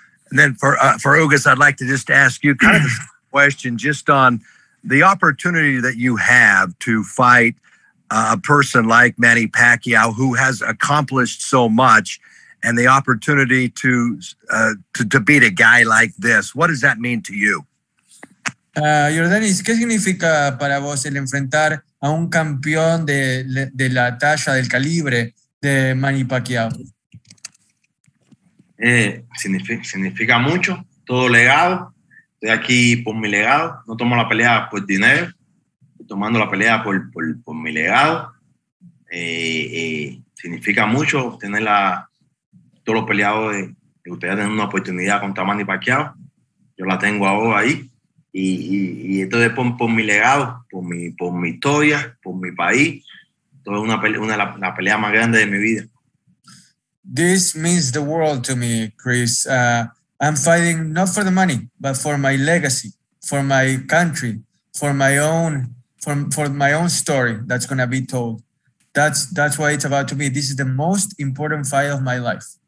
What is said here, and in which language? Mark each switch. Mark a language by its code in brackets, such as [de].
[en] And then for Ugas, I'd like to just ask you kind of a question just on the opportunity that you have to fight a person like Manny Pacquiao, who has accomplished so much, and the opportunity to beat a guy like this. What does that mean to you? [es] Jordanis, ¿qué significa para vos el enfrentar a un campeón de la talla, del calibre de Manny Pacquiao? Significa mucho, todo legado. Estoy aquí por mi legado. No tomo la pelea por dinero, estoy tomando la pelea por mi legado. Significa mucho tener todos los peleadores de ustedes tener una oportunidad contra Manny Pacquiao. Yo la tengo ahora ahí. Y esto es por mi legado, por mi historia, por mi país. Esto es una pelea más grande de mi vida. [en] This means the world to me, Chris. I'm fighting not for the money, but for my legacy, for my country, for my own story that's going to be told. That's why it's about to me. This is the most important fight of my life.